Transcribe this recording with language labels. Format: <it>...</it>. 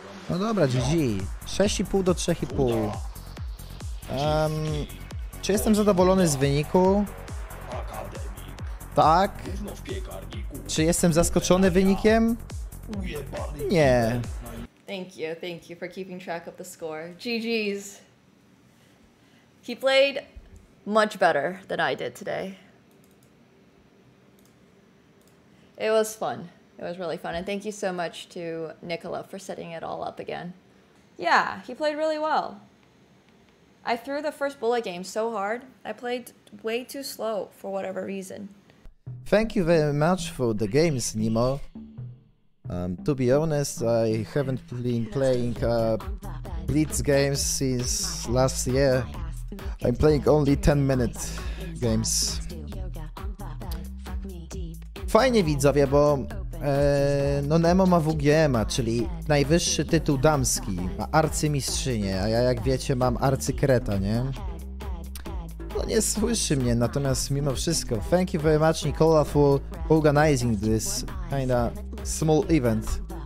<pl>No dobra, GG. 6,5 do 3,5. Czy jestem zadowolony z wyniku? Tak. Czy jestem zaskoczony wynikiem? Nie.</pl> <en>Thank you for keeping track of the score. GG's. He played much better than I did today. It was fun. It was really fun. And thank you so much to Nicola for setting it all up again. Yeah, he played really well. I threw the first bullet game so hard. I played way too slow for whatever reason. Thank you very much for the games, Nemo. To be honest, I haven't been playing Blitz games since last year. I'm playing only 10-minute games.</en> <pl>Fajnie, widzowie, bo no Nemo ma WGM-a, czyli najwyższy tytuł damski, ma arcymistrzynię, a ja, jak wiecie, mam arcykreta, nie? No nie słyszy mnie, natomiast mimo wszystko,</pl> <en>thank you very much, Nicola, for organizing this kinda small event.</en>